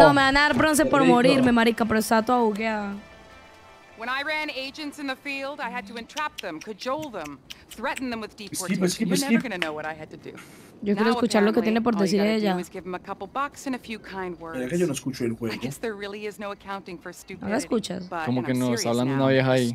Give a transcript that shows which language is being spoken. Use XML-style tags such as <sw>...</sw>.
<es>No, me van a dar bronce por morirme, marica, pero está toda bugueada.</es> <en>When I ran agents in the field, I had to entrap them, cajole them, threaten them with deportation. You're never gonna know what I had to do.</en> <es>Yo quiero escuchar lo que tiene por decir ella. ¿La escuchas? Como que no, está hablando una vieja ahí.</es>